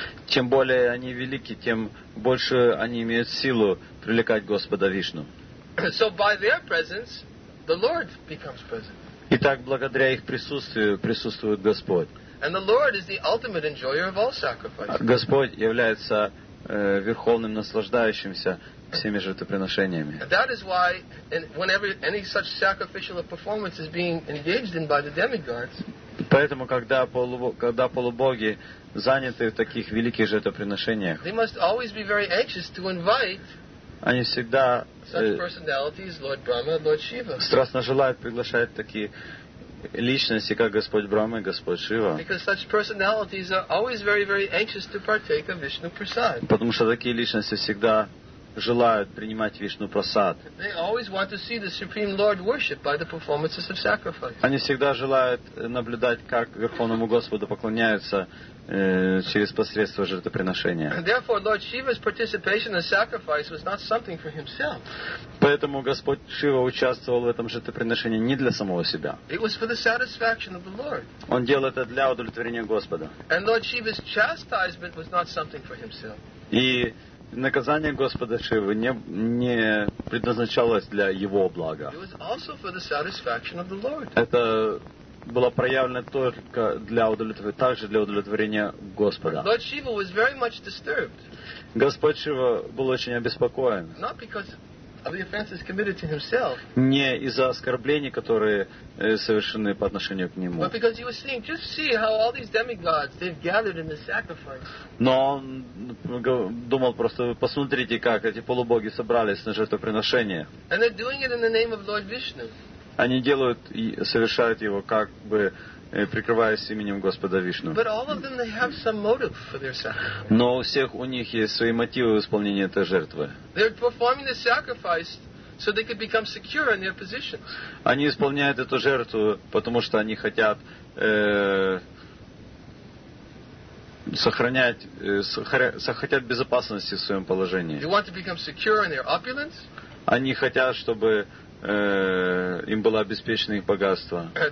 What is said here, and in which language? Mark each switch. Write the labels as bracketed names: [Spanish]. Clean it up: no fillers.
[Russian] Чем более они велики, тем больше они имеют силу привлекать Господа Вишну. [English] So by their presence, the Lord becomes present. [Russian] Итак, благодаря их присутствию присутствует Господь. [English] And the Lord is the ultimate enjoyer of all sacrifices. [Russian] Господь является верховным наслаждающимся всеми жертвоприношениями. [English] That is why, whenever any such sacrificial performance is being engaged in by the demigods. [Russian] Поэтому, когда полубоги заняты в таких великих жертвоприношениях, [English] they must always be very anxious to invite. [Russian] Они всегда [English] such personalities, Lord Brahma, Lord Shiva. [Russian] Страстно желают приглашать такие личности, как Господь Брахма и Господь Шива. [English] Because such personalities are always very, very anxious to partake of Vishnu Prasad. [Russian] Потому что такие личности всегда желают принимать Вишну Прасад. [English] They always want to see the Supreme Lord worshipped by the performances of sacrifice. [Russian] Они всегда желают наблюдать, как Верховному Господу поклоняются через посредство жертвоприношения. [English] Therefore, Lord Shiva's participation in sacrifice was not something for himself. [Russian] Поэтому Господь Шива участвовал в этом жертвоприношении не для самого себя. [English] It was for the satisfaction of the Lord. [Russian] Он делал это для удовлетворения Господа. [English] And Lord Shiva's chastisement was not something for himself. [Russian] И наказание Господа Шивы не предназначалось для его блага. [English] It was also for the satisfaction of the Lord. [Russian] Это было проявлено только для удовлетворения, также для удовлетворения Господа. [English] Lord Shiva was very much disturbed. [Russian] Господь Шива был очень обеспокоен. [English] Not because of the offenses committed to himself. [Russian] Не из-за оскорблений, которые совершены по отношению к нему. [English] But because he was seeing, just see how all these demigods they've gathered in the sacrifice. [Russian] Но он думал просто, посмотрите, как эти полубоги собрались на жертвоприношение. [English] And they're doing it in the name of Lord Vishnu. [Russian] Они делают и совершают его, как бы прикрываясь именем Господа Вишну. [English] But all of them, they have some motive for their sacrifice. [Russian] Но у всех у них есть свои мотивы исполнения этой жертвы. [English] They're performing the sacrifice so they could become secure in their positions. [Russian] Они исполняют эту жертву, потому что они хотят хотят безопасности в своем положении. [English] They want to become secure in their opulence. [Russian] Они хотят, чтобы им было обеспечено их богатство.